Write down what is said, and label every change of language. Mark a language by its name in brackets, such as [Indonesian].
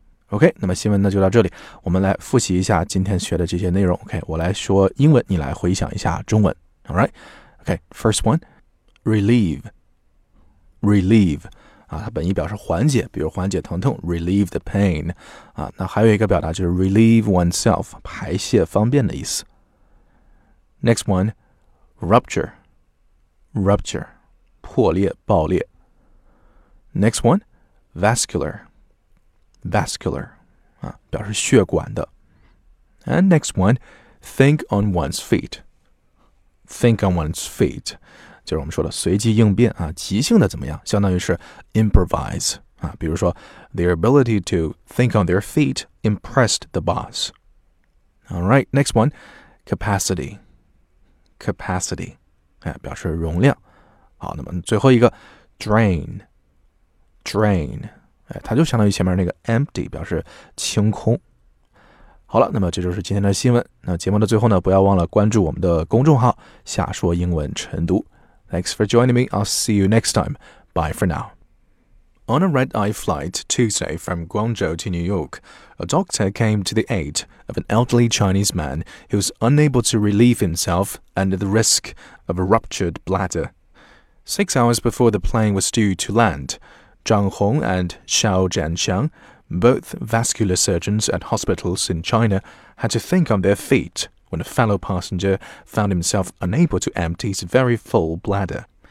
[Chinese] OK， 那么新闻呢就到这里，我们来复习一下今天学的这些内容。 OK， 我来说英文，你来回想一下中文。 [English] Alright， OK， first one， relieve， relieve， [Chinese] 啊，它本意表示缓解，比如缓解疼痛 relieve the pain 啊。那还有一个表达就是 relieve oneself 排泄方便的意思。 [English] Next one, rupture, rupture, 破裂、爆裂。 Next one, vascular, vascular, 啊，表示血管的。 And next one, think on one's feet, think on one's feet, 就是我们说的随机应变啊，即兴的怎么样？相当于是 improvise 啊，比如说 their ability to think on their feet impressed the boss. All right, next one, capacity. [Chinese] Capacity, 表示容量。好，那么最后一个 drain, drain, 它就相当于前面那个 empty, 表示清空。好了，那么这就是今天的新闻。那节目的最后呢，不要忘了关注我们的公众号下说英文晨读。 [English] Thanks for joining me. I'll see you next time. Bye for now. On a red-eye flight Tuesday from Guangzhou to New York, a doctor came to the aid of an elderly Chinese man who was unable to relieve himself under the risk of a ruptured bladder. 6 hours before the plane was due to land, Zhang Hong and Xiao Jianxiang, both vascular surgeons at hospitals in China, had to think on their feet when a fellow passenger found himself unable to empty his very full bladder.